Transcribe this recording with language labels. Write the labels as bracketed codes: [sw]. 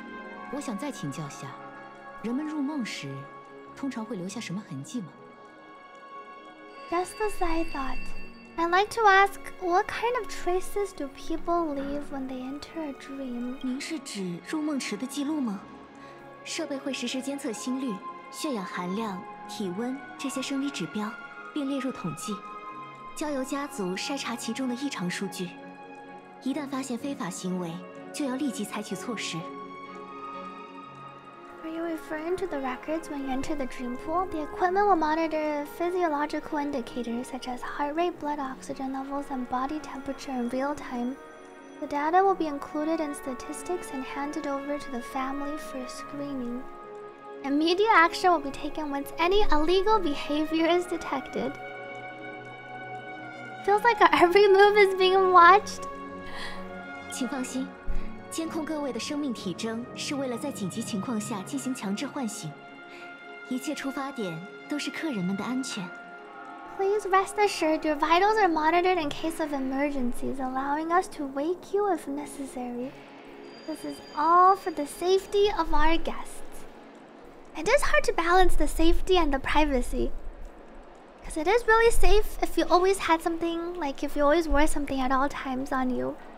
[zh] 这也在意料中。我想再请教下, 人们入梦时, 通常会留下什么痕迹吗? [en] Just as I thought. I'd like to ask, what kind of traces do people leave when they enter a dream? [zh] 您是指入梦时的记录吗?设备会实时监测心率, 血氧含量, 体温, 这些生理指标, 并列入统计, 交由家族筛查其中的异常数据, 一旦发现非法行为, 就要立即采取措施。 [en] Are you referring to the records when you enter the dream pool? The equipment will monitor physiological indicators such as heart rate, blood oxygen levels, and body temperature in real time. The data will be included in statistics and handed over to the family for screening. Immediate action will be taken once any illegal behavior is detected. Feels like our every move is being watched. [zh] 请放心。监控各位的生命体征是为了在紧急情况下进行强制唤醒。一切出发点都是客人们的安全。 [en] Please rest assured, your vitals are monitored in case of emergencies, allowing us to wake you if necessary. This is all for the safety of our guests. It is hard to balance the safety and the privacy. Because it is really safe if you always had something, like if you always wore something at all times on you.